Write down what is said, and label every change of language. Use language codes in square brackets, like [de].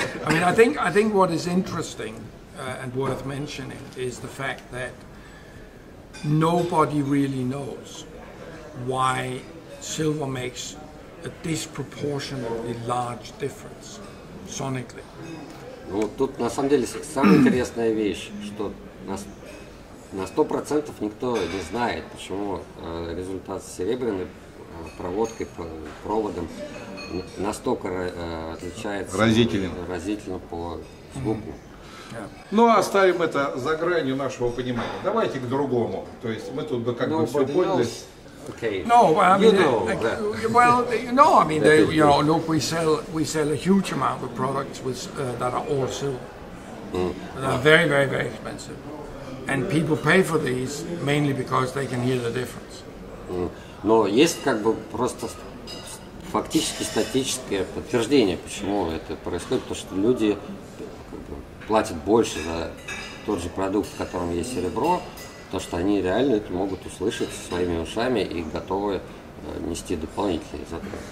[en] I mean, I think what is interesting and worth mentioning is the fact that nobody really knows why silver makes a disproportionately large difference sonically. [ru] Ну, тут на самом деле самая интересная вещь, что на 100% никто не знает, почему результат серебряной проводкой, проводом настолько отличается разительно по звуку. Mm-hmm. [en] Yeah. [ru] Ну, оставим это за гранью нашего понимания. Давайте к другому. То есть мы тут бы как [en] Nobody [ru] бы все поняли. [en] Okay. No, well, I mean, look, we sell a huge amount of products that are all silver, mm. that are very, very, very expensive, and people pay for these mainly because they can hear the difference. [ru] Но есть как бы просто фактически статическое подтверждение, почему это происходит, потому что люди платят больше за тот же продукт, в котором есть серебро. То, что они реально это могут услышать своими ушами и готовы нести дополнительные затраты.